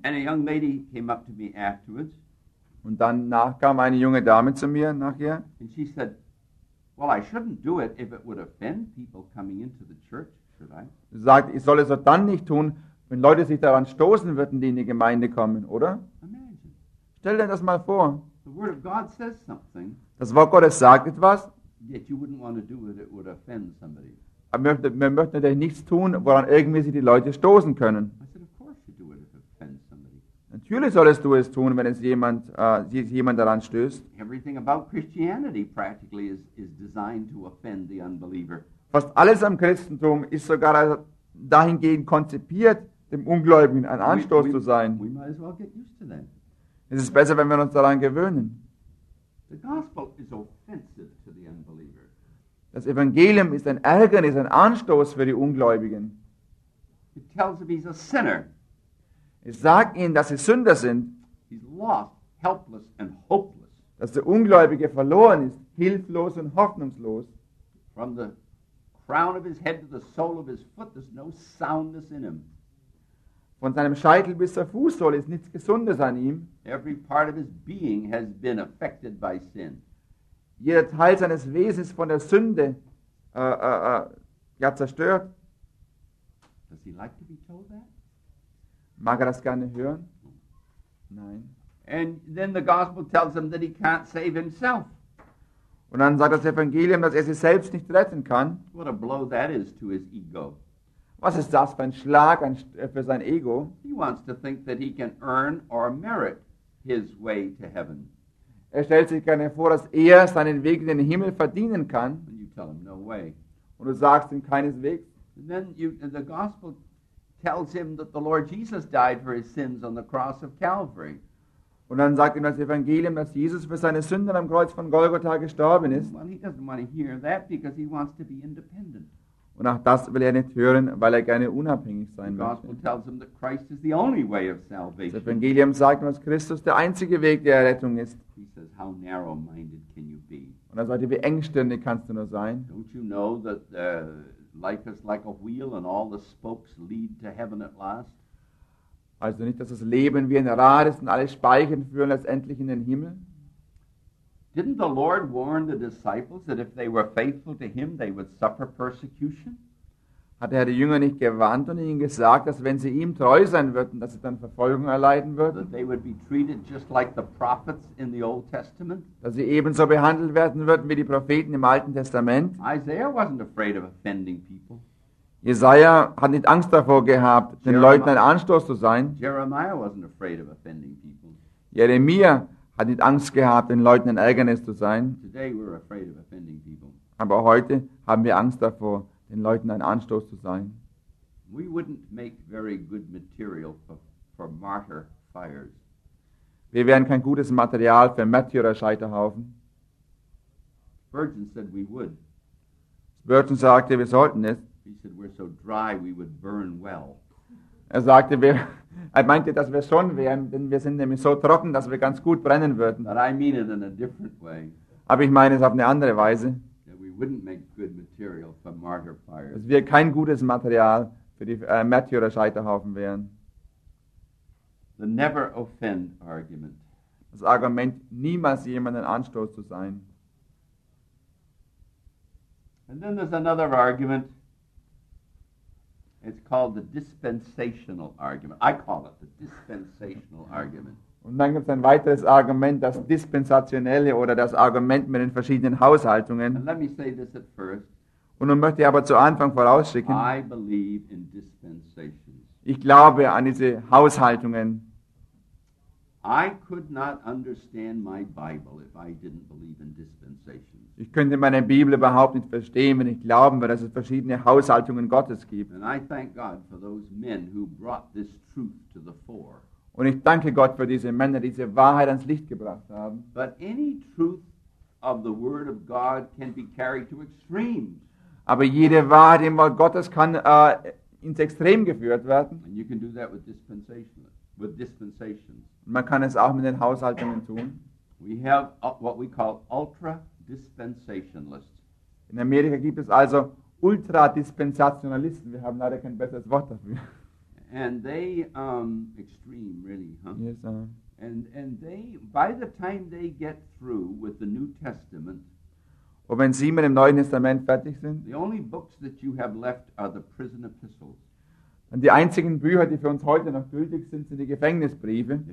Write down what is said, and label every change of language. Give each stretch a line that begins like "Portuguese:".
English: And a young lady came up to me afterwards.
German: Und dann kam eine junge Dame zu mir nachher.
English: And she said, well, I shouldn't do it if it would offend people coming into the church, should I?
German: Sie sagt, ich soll es auch dann nicht tun, wenn Leute sich daran stoßen würden, die in die Gemeinde kommen, oder?
English: Imagine.
German: Stell dir das mal vor.
English: The word of God says something.
German: Das Wort Gottes sagt etwas.
English: Yet you wouldn't want to do it, it would offend somebody.
German: Man möchte natürlich nichts tun, woran irgendwie sich die Leute stoßen können.
English: I said, of course you do it if it offends somebody.
German: Natürlich solltest du es tun, wenn es jemand daran stößt.
English: Everything about Christianity practically is designed to offend the unbeliever.
German: Fast alles am Christentum ist sogar dahingehend konzipiert, dem Ungläubigen ein Anstoß zu sein.
English: We might as well get used to that.
German: Es ist besser, wenn wir uns daran gewöhnen.
English: The gospel is offensive to the unbeliever.
German: Das Evangelium ist ein Ärgernis, ein Anstoß für die Ungläubigen.
English: It tells him he's a sinner.
German: Es sagt ihnen, dass sie Sünder sind.
English: He's lost, helpless and hopeless.
German: Dass der Ungläubige verloren ist, hilflos und hoffnungslos.
English: From the crown of his head to the sole of his foot, there's no soundness in him.
German: Von seinem Scheitel bis zur Fußsohle ist nichts Gesundes an ihm.
English: Every part of his being has been affected by sin.
German: Jeder Teil seines Wesens ist von der Sünde zerstört.
English: Does he like to be told that?
German: Mag er das gerne hören? Nein.
English: And then the gospel tells him that he can't save himself.
German: Und dann sagt das Evangelium, dass er sich selbst nicht retten kann.
English: What a blow that is to his ego.
German: Was ist das für ein Schlag für sein Ego?
English: He wants to think that he can earn or merit his way to heaven.
German: Er stellt sich gerne vor, dass er seinen Weg in den Himmel verdienen kann.
English: And you tell him, no way.
German: Und du sagst ihm keineswegs.
English: And then the gospel tells him that the Lord Jesus died for his sins on the cross of Calvary.
German: Und dann sagt ihm das Evangelium, dass Jesus für seine Sünden am Kreuz von Golgatha gestorben ist.
English: Well, he doesn't want to hear that because he wants to be independent.
German: Und auch das will er nicht hören, weil er gerne unabhängig sein möchte.
English: The gospel tells him that Christ is the only way of salvation.
German: Das Evangelium sagt ihm, dass Christus der einzige Weg der Errettung ist.
English: He says, how narrow-minded can you be?
German: Und er sagt, wie engstirnig kannst du nur sein?
English: Don't you know that life is like a wheel and all the spokes lead to heaven at last?
German: Also nicht, dass das Leben wie ein Rad ist und alle Speichen führen letztendlich in den Himmel?
English: Didn't the Lord warn the disciples that if they were faithful to him, they would suffer persecution?
German: Hat er die Jünger nicht gewarnt und ihnen gesagt, dass wenn sie ihm treu sein würden, dass sie dann Verfolgung erleiden würden?
English: That they would be treated just like the prophets in the Old Testament?
German: Dass sie ebenso behandelt werden würden wie die Propheten im Alten Testament?
English: Isaiah wasn't afraid of offending people.
German: Jesaja hat nicht Angst davor gehabt, den Leuten ein Anstoß zu sein.
English: Jeremiah wasn't afraid of offending people.
German: Jeremia hat nicht Angst gehabt, den Leuten ein Ärgernis zu sein.
English: Today we're afraid of offending people.
German: Aber heute haben wir Angst davor, den Leuten ein Anstoß zu sein.
English: We wouldn't make very good material for martyr fires.
German: Wir wären kein gutes Material für Märtyrer-Scheiterhaufen.
English: Spurgeon said we would.
German: Spurgeon sagte, wir sollten es.
English: He said we're so dry, we would burn well.
German: Er sagte, er meinte, dass wir schon wären, denn wir sind nämlich so trocken, dass wir ganz gut brennen würden.
English: But I mean it in a different way.
German: Aber ich meine es auf eine andere Weise.
English: That we wouldn't make good material for martyr fires.
German: Dass wir kein gutes Material für die Märtyrer-Scheiterhaufen wären.
English: The never offend argument.
German: Das Argument, niemals jemanden Anstoß zu sein.
English: And then there's another argument. It's called the dispensational argument. I call it the dispensational argument.
German: Und dann gibt es ein weiteres Argument, das dispensationelle oder das Argument mit den verschiedenen Haushaltungen.
English: And let me say this at first.
German: Und nun möchte ich aber zu Anfang vorausschicken.
English: I believe in dispensations.
German: Ich glaube an diese Haushaltungen.
English: I could not understand my Bible if I didn't believe in dispensations.
German: Ich könnte meine Bibel überhaupt nicht verstehen, wenn ich glauben würde, dass es verschiedene Haushaltungen Gottes gibt.
English: And I thank God for those men who brought this truth to the fore.
German: Und ich danke Gott für diese Männer, die diese Wahrheit ans Licht gebracht haben.
English: But any truth of the Word of God can be carried to extremes.
German: Aber jede Wahrheit im Wort Gottes kann ins Extrem geführt werden.
English: And you can do that with dispensations.
German: Man kann es auch mit den Haushaltungen tun.
English: We have what we call ultra-dispensationalists.
German: In Amerika gibt es also Ultra-Dispensationalisten. Wir haben leider kein besseres Wort dafür.
English: And they, extreme, really, huh? Yes, sir. And they, by the time they get through with the New Testament,
German: und wenn sie mit dem Neuen Testament fertig sind,
English: the only books that you have left are the prison epistles.
German: Und die einzigen Bücher, die für uns heute noch gültig sind, sind die Gefängnisbriefe.